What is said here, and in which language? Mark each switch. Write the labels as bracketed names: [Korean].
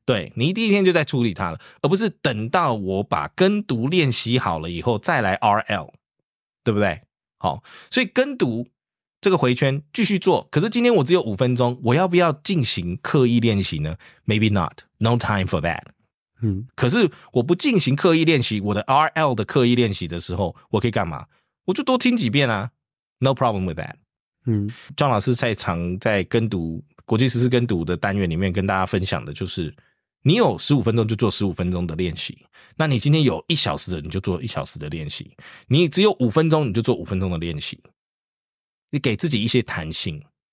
[Chinese] 对，你第一天就在处理它了，而不是等到我把跟读练习好了以后再来 RL， 对不对？好，所以跟读这个回圈继续做，可是今天我只有五分钟，我要不要进行刻意练习呢？ [English] Maybe not. No time for that. [Chinese] 可是我不进行刻意练习，我的 RL 的刻意练习的时候，我可以干嘛？我就多听几遍啊， [English] No problem with that。 [Chinese] John 老师在常在跟读国际时事跟读的单元里面跟大家分享的就是，你有15分钟就做15分钟的练习，那你今天有一小时的你就做一小时的练习，你只有5分钟你就做5分钟的练习，你给自己一些弹性。